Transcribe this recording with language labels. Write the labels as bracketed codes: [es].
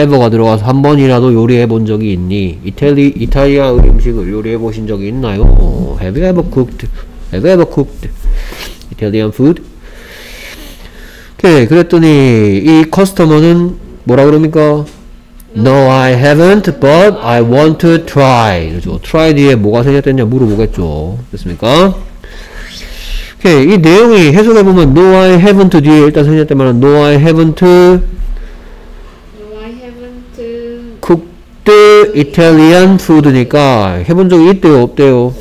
[ko] ever가 들어가서 한 번이라도 요리해 본 적이 있니? 이탈리아 음식을 요리해 보신 적이 있나요? [en] Have you ever cooked? Have you ever cooked Italian food? [ko] 오케이, 그랬더니 이 커스터머는 뭐라 그럽니까? [en] No, I haven't, but I want to try. [ko] 그렇죠? try 뒤에 뭐가 생겼냐 물어보겠죠. 됐습니까? 오케이, 이 내용이 해석해보면 [en] No, I haven't [ko] 뒤에 일단 생겼다면 [en] No, I haven't cooked Italian food [ko] 니까 해본 적이 있대요 없대요?